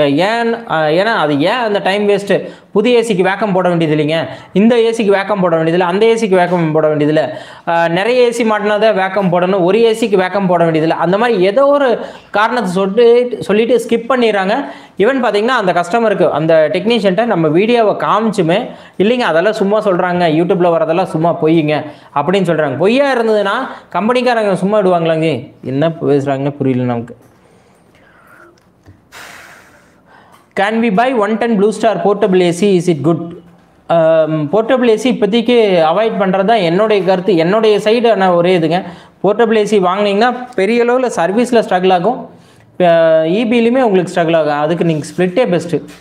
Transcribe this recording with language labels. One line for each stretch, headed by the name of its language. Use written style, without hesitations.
Tamil: ஏன்னா அது ஏன் அந்த டைம் வேஸ்ட்டு, புது ஏசிக்கு வேக்கம் போட வேண்டியது இல்லைங்க, இந்த ஏசிக்கு வேக்கம் போட வேண்டியதில்லை, அந்த ஏசிக்கு வேக்கம் போட வேண்டியதில்லை, நிறைய ஏசி மாட்டினாதான் வேக்கம் போடணும், ஒரு ஏசிக்கு வேக்கம் போட வேண்டியதில்லை, அந்த மாதிரி ஏதோ ஒரு காரணத்தை சொல்லிட்டு ஸ்கிப் பண்ணிடுறாங்க. ஈவன் பார்த்தீங்கன்னா அந்த கஸ்டமருக்கு அந்த டெக்னீஷியன்ட்ட நம்ம வீடியோவை காமிச்சுமே இல்லைங்க, அதெல்லாம் சும்மா சொல்கிறாங்க, யூடியூப்பில் வரதெல்லாம் சும்மா பொய்யுங்க அப்படின்னு சொல்கிறாங்க. பொய்யா இருந்ததுன்னா கம்பெனிக்காரங்க சும்மா விடுவாங்களாங்க? என்ன பேசுகிறாங்கன்னு புரியல நமக்கு.
English: Can we buy 110 Blue Star Portable AC? Is it good?
Tamil: Portable AC இப்போதைக்கு அவாய்ட் பண்ணுறது தான் என்னுடைய கருத்து, என்னுடைய சைடு ஆனால் ஒரே இதுங்க. போர்ட்டபிள் ஏசி வாங்கினீங்கன்னா பெரிய அளவில் சர்வீஸில் ஸ்ட்ரகிள் ஆகும், இபிலையுமே உங்களுக்கு ஸ்ட்ரகிள் ஆகும், அதுக்கு நீங்கள் ஸ்ப்ளிட்டே பெஸ்ட்டு.